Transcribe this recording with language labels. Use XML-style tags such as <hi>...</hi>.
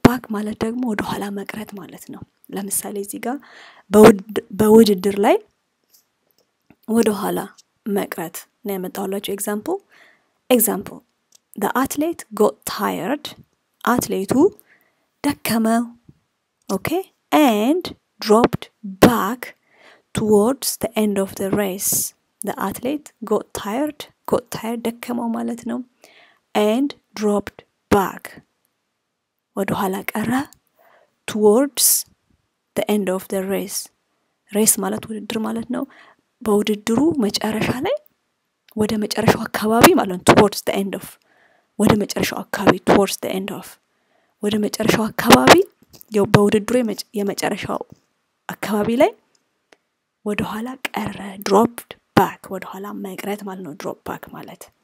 <am>ማለት ደግሞ ወደ ኋላ መቅረት ማለት ነው። ለምሳሌ እዚህ ጋር በውድድር ላይ ወደ ኋላ መቅረት ነው የምታወላችሁ።</am> <en>example the athlete got tired</en> <am>athletu ደከመ</am> <en>okay and dropped back towards the end of the race. The athlete got tired</en> <am>ደከመ ማለት ነው</am> <en>and dropped back</en> <am>ወደ ኋላ ቀረ</am> <en>towards the end of the race.</en> <am>race ማለት ውድድር ማለት ነው። በውድድሩ መጨረሻ ላይ ወደ መጨረሻው አካባቢ ማለት</am> <en>towards the end of</en> <am>ወደ መጨረሻው አካባቢ towards the end of ወደ መጨረሻው አካባቢ ያው በውድድሩ የመጨረሻው አካባቢ ላይ ወደ ኋላ ቀረ</am> <en>dropped back</en> <am>ወደ ኋላ መቅረት ማለት ነው</am> <en>drop back</en> <am>ማለት።</am>